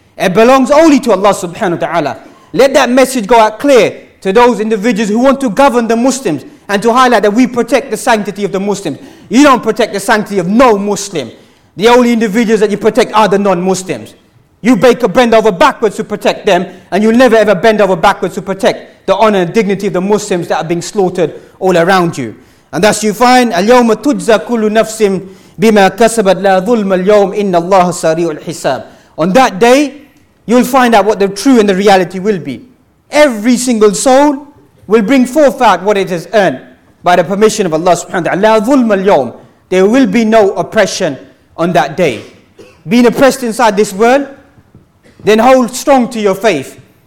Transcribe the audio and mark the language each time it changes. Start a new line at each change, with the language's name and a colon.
English: It belongs only to Allah subhanahu wa ta'ala. Let that message go out clear to those individuals who want to govern the Muslims and to highlight that we protect the sanctity of the Muslims. You don't protect the sanctity of no Muslim. The only individuals that you protect are the non-Muslims. You bend over backwards to protect them, and you'll never ever bend over backwards to protect the honor and dignity of the Muslims that are being slaughtered all around you. And thus you find,
Arabic: أَلْيَوْمَ تُجْزَى كُلُّ نَفْسٍ بِمَا كَسَبَتْ لَا ظُلْمَ الْيَوْمِ إِنَّ اللَّهَ سَرِيعُ الْحِسَابِ.
English: On that day, you'll find out what the true and the reality will be. Every single soul will bring forth out what it has earned by the permission of Allah subhanahu wa ta'ala.
Arabic: لَا ظُلْمَ الْيَوْمِ.
English: There will be no oppression on that day. Being oppressed inside this world, then hold strong to your faith.